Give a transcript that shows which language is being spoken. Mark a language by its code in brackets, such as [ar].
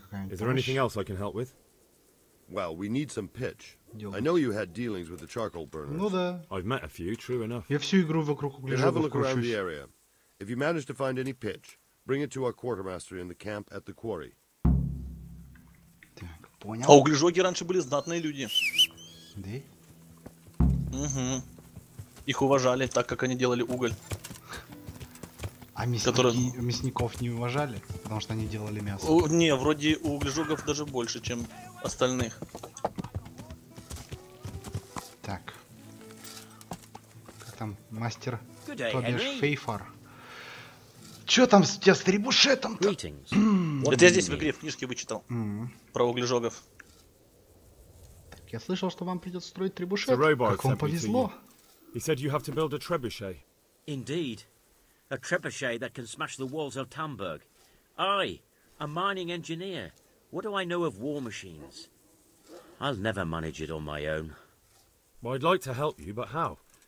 [en] Is there anything else I can help with? Well, we need some pitch. I know you had dealings with the charcoal burners. [ru] Ну да. [en] I've met a few, true enough. [ru] Я всю игру вокруг угля вкручусь. [en] Have a look around the area. If you manage to find any pitch, bring it to our quartermaster in the camp at the quarry. [ru] Так, понял. А угляжоги раньше были знатные люди. Да? Угу. Их уважали, так как они делали уголь. А мясники, которые... мясников не уважали, потому что они делали мясо? Не, вроде у углежогов даже больше, чем остальных. Так. Как там мастер, то бишь Фейфар? Чё там у тебя с требушетом-то? Это я здесь в игре в книжке вычитал. Про углежогов. Так, я слышал, что вам придется строить требушет. Как вам повезло. [en] He said you have to build a trebuchet. Indeed. A trebuchet that can smash the walls of Talmberg. I, a mining engineer. What do I know of war machines? I'll never manage it on my own. Well, I'd like to help you, but how?